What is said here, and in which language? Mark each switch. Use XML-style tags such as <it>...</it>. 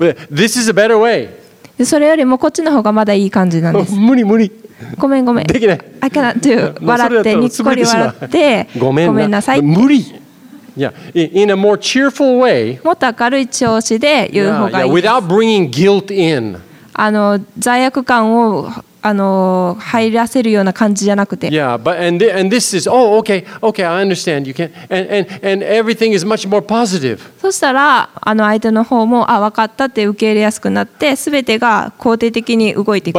<en>This is a better way.</en> <ja>それよりもこっちの方がまだいい感じなんです。無理。ごめんごめん。できない。</ja> <en>I cannot do.</en> <ja>笑ってにっこり笑って。ごめんなさい。</ja> <en>無理。Yeah. In a more cheerful way.</en> <ja>もっと明るい調子で言う方がいいです。</ja> <en>Without bringing guilt in.</en> <ja>罪悪感を入らせるような感じじゃなくて。</ja> <en>Yeah, but and this is oh okay okay I understand you can and everything is much more positive.</en> <ja>そしたら相手の方もあ分かったって受け入れやすくなって全てが肯定的に動いていく。</ja>